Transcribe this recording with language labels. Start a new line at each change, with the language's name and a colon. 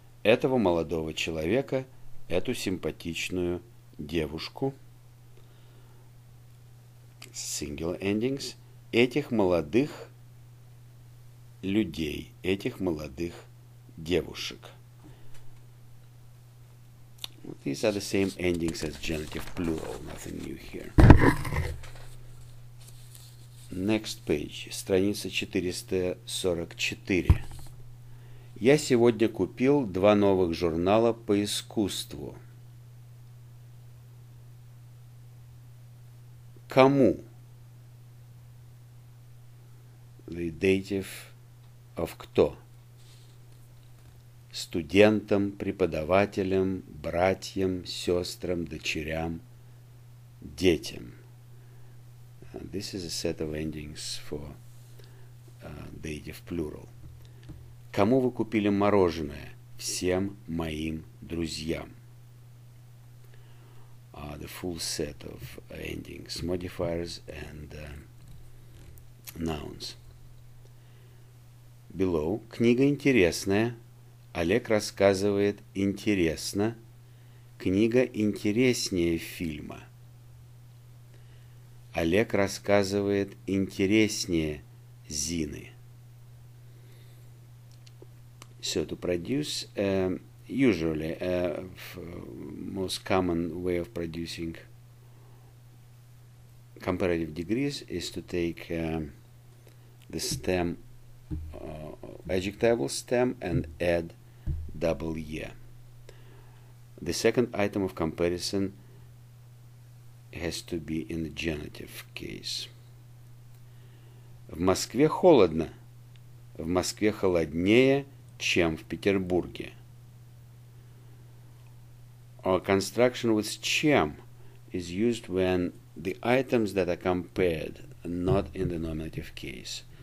Russian: Этого молодого человека, эту симпатичную девушку.
English: Single endings.
Russian: Этих молодых людей, этих молодых девушек.
English: These are the same endings as genitive plural. Nothing new here. Next page.
Russian: Страница 444. Я сегодня купил два новых журнала по искусству. Кому?
English: The dative of кто?
Russian: Студентам, преподавателям, братьям, сестрам, дочерям, детям.
English: And this is a set of endings for dative plural.
Russian: Кому вы купили мороженое? Всем моим друзьям.
English: The full set of endings, modifiers and nouns.
Russian: Below. Книга интересная. Олег рассказывает интересно. Книга интереснее фильма. Олег рассказывает интереснее Зины.
English: So to produce, usually, most common way of producing comparative degrees is to take the stem, adjectival stem, and add double e. The second item of comparison has to be in the genitive case.
Russian: В Москве холодно. В Москве холоднее, чем в Петербурге.
English: A construction with чем is used when the items that are compared are not in the nominative case.